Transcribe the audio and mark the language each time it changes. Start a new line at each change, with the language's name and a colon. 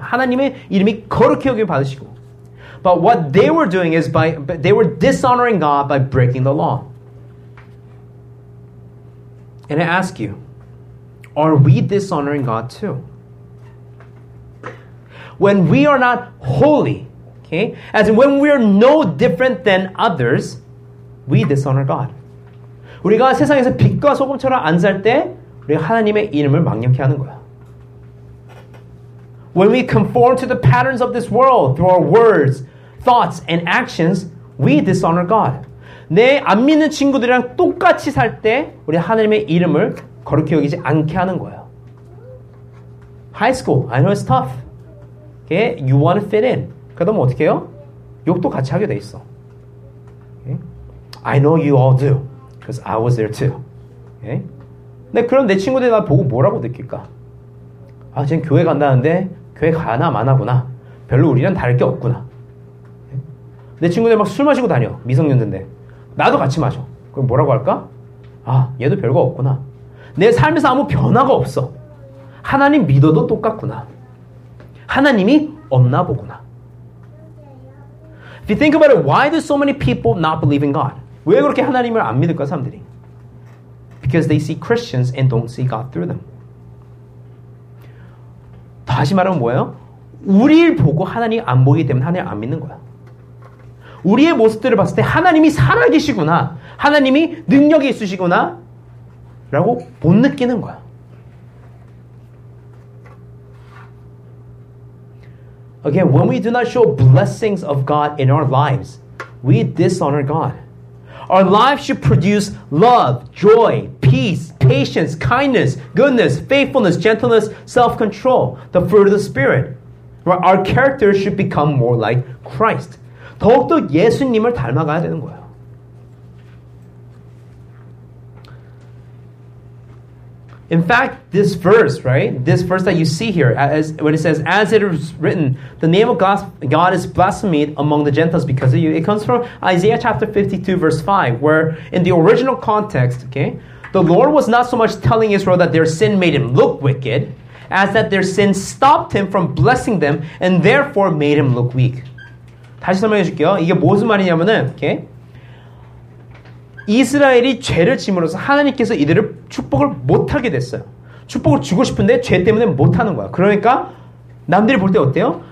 Korean: 하나님의 이름이 거룩히 여김을 받으시고.
English: But what they were doing is they were dishonoring God by breaking the law. And I ask you, are we dishonoring God too? When we are not holy, okay? As in when we are no different than others, we dishonor God.
Korean: 우리가 세상에서 빛과 소금처럼 안 살 때 우리가 하나님의 이름을 망령케 하는 거야.
English: When we conform to the patterns of this world through our words, thoughts, and actions, we dishonor God.
Korean: 내 안 믿는 친구들이랑 똑같이 살 때 우리 하나님의 이름을 거룩히 여기지 않게 하는 거야.
English: High school, I know it's tough. Okay? You want to fit in.
Korean: 그래도 뭐 어떻게 해요? 욕도 같이 하게 돼 있어.
English: Okay? I know you all do. Because I was there too. Okay?
Korean: 근데 그럼 내 친구들이 나 보고 뭐라고 느낄까? 아, 쟤는 교회 간다는데 교회 가나 마나구나. 별로 우리랑 다를 게 없구나.
English: Okay?
Korean: 내 친구들 막 술 마시고 다녀. 미성년자인데. 나도 같이 마셔. 그럼 뭐라고 할까? 아, 얘도 별거 없구나. 내 삶에서 아무 변화가 없어. 하나님 믿어도 똑같구나. 하나님이 없나 보구나.
English: If you think about it, why do so many people not believe in God?
Korean: 왜 그렇게 하나님을 안 믿을까 사람들이?
English: Because they see Christians and don't see God through them.
Korean: 다시 말하면 뭐예요? 우리를 보고 하나님 안 보기 때문에 하나님을 안 믿는 거야. 우리의 모습들을 봤을 때 하나님이 살아계시구나, 하나님이 능력이 있으시구나 라고 못 느끼는 거야.
English: Again, when we do not show blessings of God in our lives, we dishonor God. Our lives should produce love, joy, peace, patience, kindness, goodness, faithfulness, gentleness, self-control, the fruit of the Spirit. Right? Our character should become more like Christ.
Korean: 더욱더 예수님을 닮아가야 되는 거예요.
English: In fact, this verse, right? This verse that you see here, as, when it says, as it is written, the name of God is blasphemed among the Gentiles because of you. It comes from Isaiah chapter 52, verse 5, where in the original context, okay, the Lord was not so much telling Israel that their sin made him look wicked, as that their sin stopped him from blessing them and therefore made him look weak.
Korean: 다시 설명해 줄게요. 이게 무슨 말이냐면은, okay? 이스라엘이 죄를 짐으로써 하나님께서 이들을 축복을 못하게 됐어요. 축복을 주고 싶은데 죄 때문에 못하는 거야. 그러니까 남들이 볼 때 어때요?